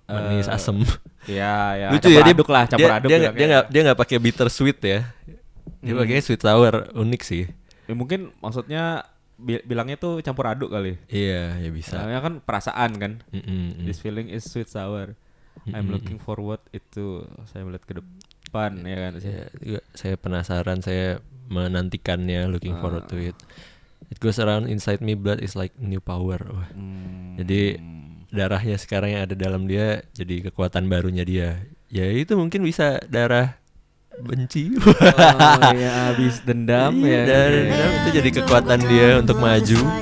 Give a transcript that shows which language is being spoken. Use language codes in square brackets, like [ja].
[id] manis asem. Ya. Lucu ya dia. Campur aduk lah, campur aduk. Dia enggak pakai bitter sweet ya. Dia bagiannya sweet sour, unik sih. Ya mungkin maksudnya bilangnya tuh campur aduk kali. Iya, ya bisa. Namanya kan perasaan kan. [en] This feeling is sweet sour. I'm looking forward [id] itu saya melihat ke depan ya kan. Saya penasaran, saya menantikannya, [en] looking forward to it. It goes around inside me, blood is like new power. [id] Jadi darahnya sekarang yang ada dalam dia jadi kekuatan barunya dia. Ya itu mungkin bisa darah benci. Ya habis dendam ya. Dendam itu jadi kekuatan dia untuk maju.